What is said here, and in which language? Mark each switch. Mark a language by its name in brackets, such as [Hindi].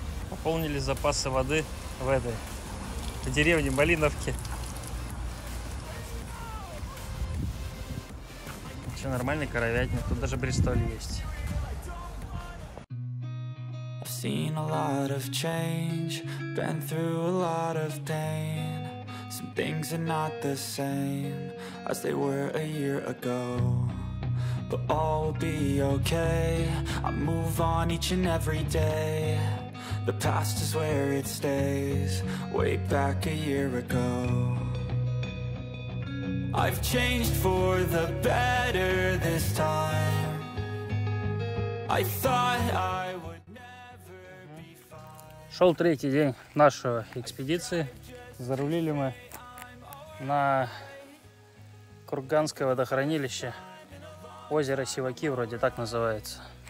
[Russian] Пополнили запасы воды в этой деревне Малиновке. Все нормальный коровятник, тут даже Бристоль есть. [English] I've seen a lot of change, been through a lot of pain. Some things are not the same as they were a year ago. But all will be okay. I move on each and every day. The past is where it stays, way back a year ago. I've changed for the better this time. I thought I would never be fine. [Russian] Шел третий день нашей экспедиции. Зарулили мы на Курганское водохранилище. Озеро Сиваки вроде так называется.